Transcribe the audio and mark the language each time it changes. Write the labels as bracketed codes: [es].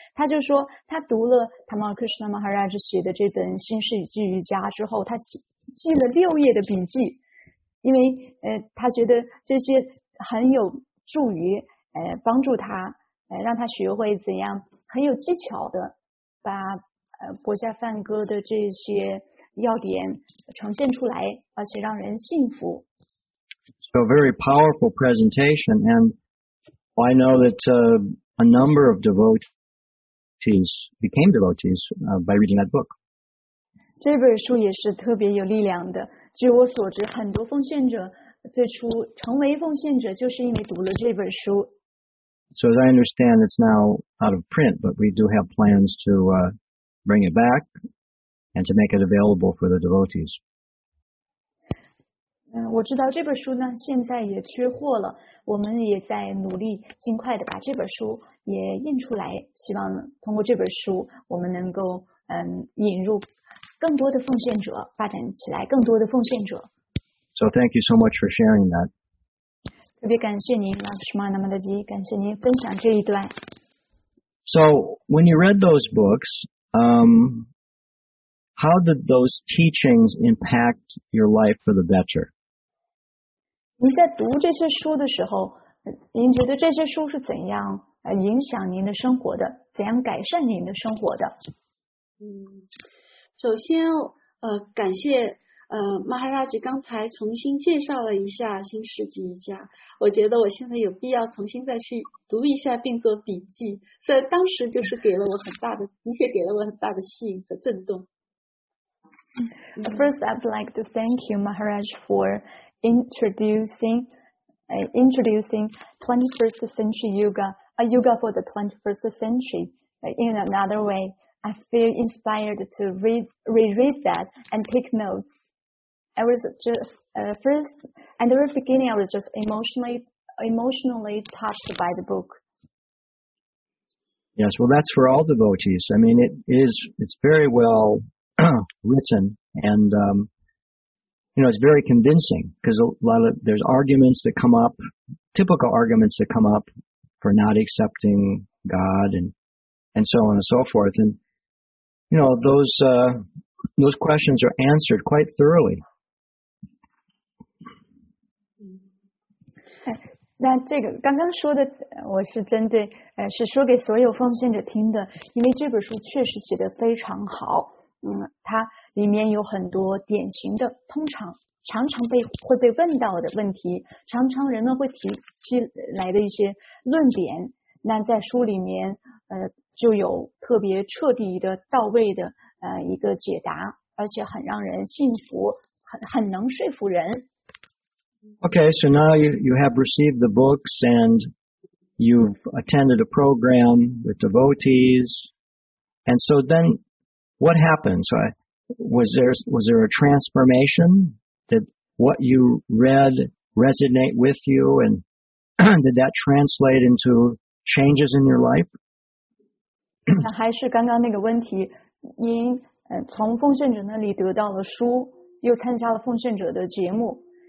[zh] 他就说他读了塔玛库什马哈尔斯写的这本新世纪瑜伽之后，他记了六页的笔记，因为他觉得这些很有助于帮助他让他学会怎样很有技巧的把薄伽梵歌的这些要点呈现出来，而且让人信服。 [en] So a very powerful presentation, and I know that a number of devotees became devotees by reading that book. [zh] 这本书也是特别有力量的。据我所知，很多奉献者最初成为奉献者就是因为读了这本书。 [en] So as I understand, it's now out of print, but we do have plans to bring it back and to make it available for the devotees. [zh] 我知道这本书呢现在也缺货了，我们也在努力尽快的把这本书也印出来，希望通过这本书我们能够引入更多的奉献者，发展起来更多的奉献者。 [en] So thank you so much for sharing that. [zh] 特别感谢您老师马纳玛德基，感谢您分享这一段。 [en] So when you read those books, how did those teachings impact your life for the better? [zh] 您在读这些书的时候，您觉得这些书是怎样影响您的生活的，怎样改善您的生活的？首先感谢 Maharaj 刚才重新介绍了一下新世纪瑜伽，我觉得我现在有必要重新再去读一下并做笔记，所以当时就是给了我很大的，的确给了我很大的吸引和震动。 [en] First, I'd like to thank you, Maharaj, for introducing 21st century yoga, a yoga for the 21st century. In another way, I feel inspired to reread that and take notes. I was at the very beginning, I was just emotionally touched by the book. Yes, well, that's for all devotees. I mean, it's very well written, and it's very convincing, because there's arguments that come up, typical arguments that come up for not accepting God and so on and so forth. And, you know, those questions are answered quite thoroughly. [zh] 那这个刚刚说的，我是针对，是说给所有奉献者听的，因为这本书确实写得非常好，它里面有很多典型的，常常会被问到的问题，常常人们会提起来的一些论点，那在书里面，就有特别彻底的、到位的，一个解答，而且很让人信服，很能说服人。 [en] Okay, so now you have received the books and you've attended a program with devotees. And so then what happens? Was there a transformation? Did what you read resonate with you? And did that translate into changes in your life? [zh] 还是刚刚那个问题，您从奉献者那里得到了书，又参加了奉献者的节目。